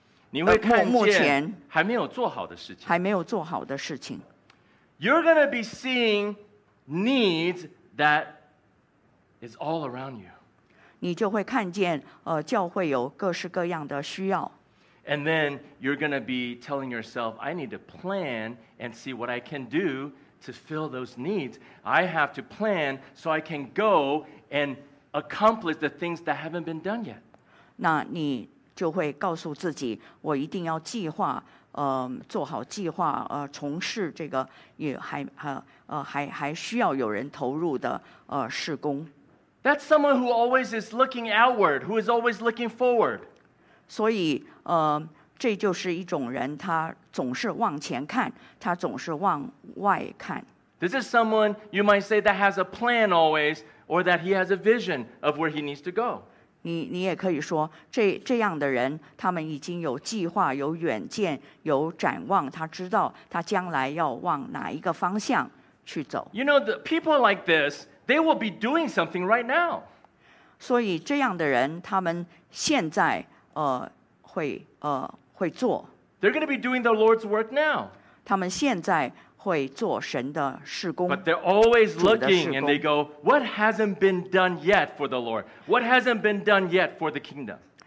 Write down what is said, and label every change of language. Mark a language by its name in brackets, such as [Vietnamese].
[Chinese] 你会看见还没有做好的事情还没有做好的事情 [English] You're going to be seeing needs that is all around you. [Chinese] 你就会看见，教会有各式各样的需要。 [English] And then you're going to be telling yourself, I need to plan and see what I can do to fill those needs. I have to plan so I can go and accomplish the things that haven't been done yet. [Chinese] 那你就会告诉自己，我一定要计划，做好计划，从事这个也还还需要有人投入的事工。 [English] That's someone who always is looking outward, who is always looking forward. [Chinese] 所以，这就是一种人，他总是往前看，他总是往外看。 [English] This is someone you might say that has a plan always, or that he has a vision of where he needs to go. [Chinese] 你也可以说，这样的人，他们已经有计划，有远见，有展望，他知道他将来要往哪一个方向去走。 [English] You know, the people like this, they will be doing something right now. [Chinese] 所以这样的人，他们现在会做。 [English] They're going to be doing the Lord's work now. [Chinese] 他们现在会做神的事工。 [English] But they're always looking and they go, what hasn't been done yet for the Lord? What hasn't been done yet for the kingdom?